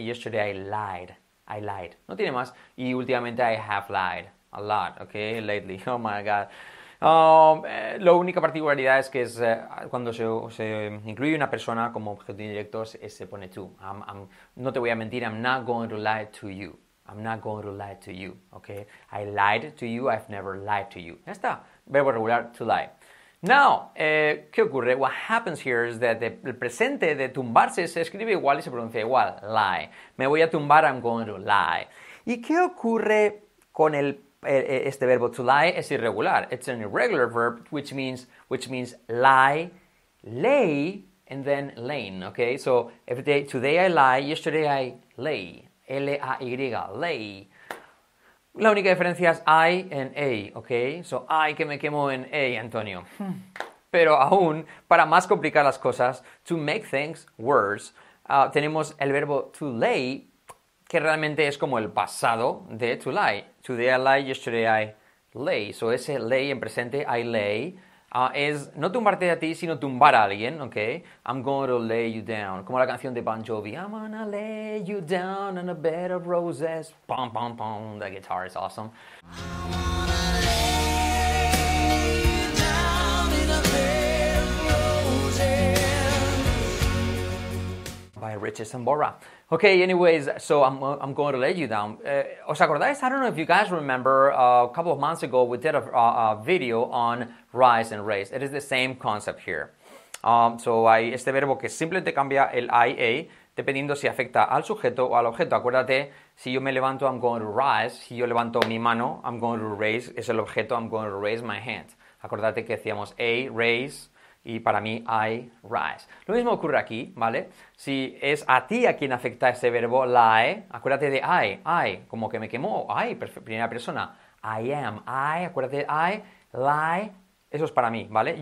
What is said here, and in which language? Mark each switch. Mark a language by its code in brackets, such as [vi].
[en] Yesterday, I lied. I lied. [es] No tiene más. Y últimamente, [en] I have lied a lot, ¿ok? Lately. Oh, my God. [es] La única particularidad es que es cuando se incluye una persona como objeto indirecto, se pone to. No te voy a mentir. I'm not going to lie to you. [en] I'm not going to lie to you, okay? I lied to you, I've never lied to you. [es] Ya está, verbo regular, to lie. Now, ¿qué ocurre? [en] What happens here is that [es] el presente de tumbarse se escribe igual y se pronuncia igual, lie. Me voy a tumbar, [en] I'm going to lie. [es] ¿Y qué ocurre con este verbo to lie? Es irregular. [en] It's an irregular verb, which means lie, lay, and then lane, okay? So, today I lie, yesterday I lay. L-A-Y, lay. [es] La única diferencia es I en A, ¿ok? So, I que me quemo en A, Antonio. Pero aún, para más complicar las cosas, [en] to make things worse, [es] tenemos el verbo to lay, que realmente es como el pasado de to lie. [en] Today I lie, yesterday I lay. [es] So, ese lay en presente, I lay, es no tumbarte a ti, sino tumbar a alguien, ¿ok? [en] I'm going to lay you down. [es] Como la canción de Bon Jovi. [en] I'm gonna lay you down on a bed of roses. Pum, pum, pum. That guitar is awesome. I'm gonna lay you down in a bed of roses. By Richie Sambora. Okay, anyways, so I'm going to lay you down. [es] ¿Os acordáis? [en] I don't know if you guys remember, a couple of months ago, we did a video on rise and raise. It is the same concept here. [es] So hay este verbo que simplemente cambia el IA dependiendo si afecta al sujeto o al objeto. Acuérdate, si yo me levanto, [en] I'm going to rise. [es] Si yo levanto mi mano, [en] I'm going to raise. [es] Es el objeto, [en] I'm going to raise my hand. [es] Acuérdate que decíamos A, raise, y para mí, [en] I rise. [es] Lo mismo ocurre aquí, ¿vale? Si es a ti a quien afecta este verbo, lie, acuérdate de I, como que me quemó, I, primera persona. I am, I, acuérdate de I, lie, eso es para mí, ¿vale?